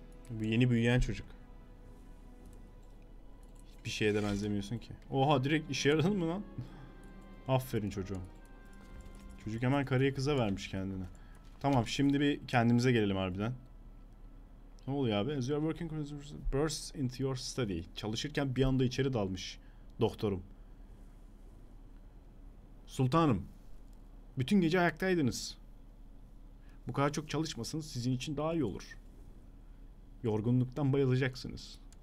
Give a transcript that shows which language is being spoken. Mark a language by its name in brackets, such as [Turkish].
[Turkish] Bu yeni büyüyen çocuk. Bir şeye de benzemiyorsun ki. Oha, direkt işe yaradın mı lan? Aferin çocuğum. Çocuk hemen karıya kıza vermiş kendini. Tamam, şimdi bir kendimize gelelim harbiden. Ne oluyor abi? [English] As you are working, burst into your study. [Turkish] Çalışırken bir anda içeri dalmış doktorum. Sultanım. Bütün gece ayaktaydınız. Bu kadar çok çalışmasanız sizin için daha iyi olur. Yorgunluktan bayılacaksınız.